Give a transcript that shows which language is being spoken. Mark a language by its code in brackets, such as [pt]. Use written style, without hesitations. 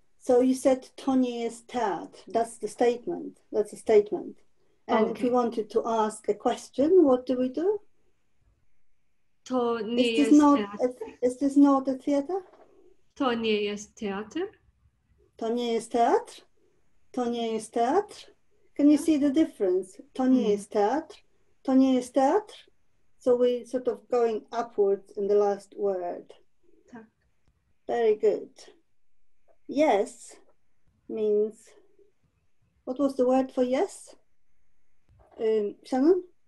[en] So you said [pl] to nie jest teatr. [en] That's the statement. That's a statement. And okay. If you wanted to ask a question, what do we do? [pl] To nie jest teatr. [en] Is this not a theater? [pl] To nie jest teatr. To nie jest teatr. To nie jest teatr. OK, [en] Can you see the difference? Tony is théâtre. So we sort of going upwards in the last word. Very good. Yes means, what was the word for yes? Shannon?